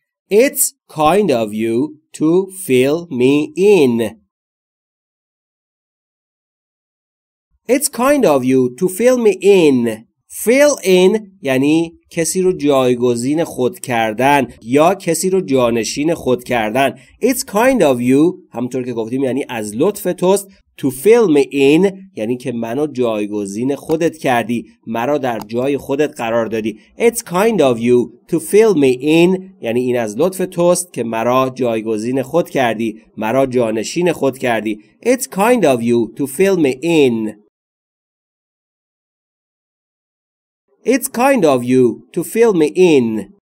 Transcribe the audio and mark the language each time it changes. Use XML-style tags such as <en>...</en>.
<en>It's kind of you to fill me in. It's kind of you to fill me in. Fill in</en> <fa>یعنی کسی رو جایگزین خود کردن یا کسی رو جانشین خود کردن.</fa> <en>It's kind of you</en> <fa>همونطور که گفتیم یعنی از لطف توست.</fa> <en>To fill me in</en> <fa>یعنی که منو جایگزین خودت کردی، مرا در جای خودت قرار دادی.</fa> <en>It's kind of you to fill me in</en> <fa>یعنی این از لطف توست که مرا جایگزین خود کردی، مرا جانشین خود کردی.</fa> <en>It's kind of you to fill me in. It's kind of you to fill me in.</en>